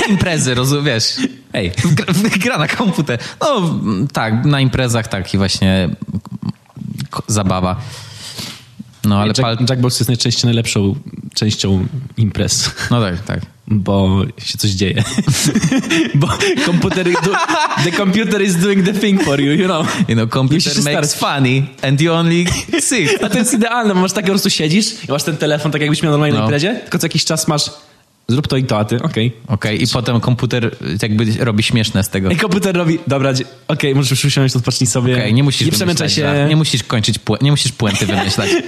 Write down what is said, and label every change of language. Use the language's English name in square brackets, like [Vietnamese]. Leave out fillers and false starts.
[Polish] imprezy, rozumiesz. Ej, gra na komputer. No, tak, na imprezach taki właśnie zabawa. No, ale Jackbox jest najczęściej najlepszą częścią imprez. No tak. Bo się coś dzieje. Bo komputer... [English] The computer is doing the thing for you, you know. You know, computer makes funny and you only sick. [Polish] A to jest idealne, bo masz tak, po prostu siedzisz i masz ten telefon, tak jakbyś miał normalnie na imprezie, tylko co jakiś czas masz... Zrób to i to, a ty, okej. Okay. Okej, okay. I potem komputer jakby robi śmieszne z tego. I komputer robi, dobra, okej, okay, możesz usiąść, odpocznij sobie. Okej, okay, nie musisz wymyślać, się. Nie musisz kończyć, nie musisz puenty wymyślać.